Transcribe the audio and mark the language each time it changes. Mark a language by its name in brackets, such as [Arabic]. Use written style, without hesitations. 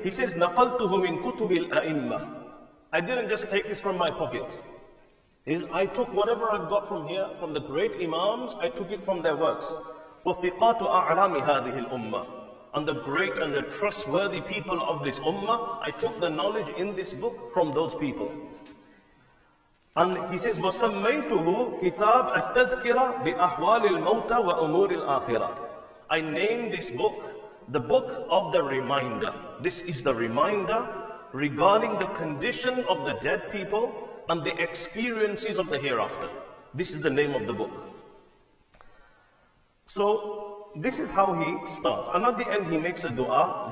[English] He says, [Arabic] نَقَلْتُهُ مِنْ كُتُبِ الْأَئِمَّةِ. [English] I didn't just take this from my pocket. I took whatever I've got from here, from the great Imams, I took it from their works. [Arabic] وَفِقَاتُ أَعْلَامِ هَذِهِ الْأُمَّةِ. [English] And the great and the trustworthy people of this ummah, I took the knowledge in this book from those people. And he says, [Arabic] وَسَمَّيْتُهُ كِتَابَ أَتَّذْكِرَةَ بِأَحْوَالِ الْمَوْتَ وَأُمُورِ الْآخِرَةِ. [English] I named this book, the book of the reminder. This is the reminder regarding the condition of the dead people and the experiences of the hereafter. This is the name of the book. So, this is how he starts. And at the end, he makes a dua.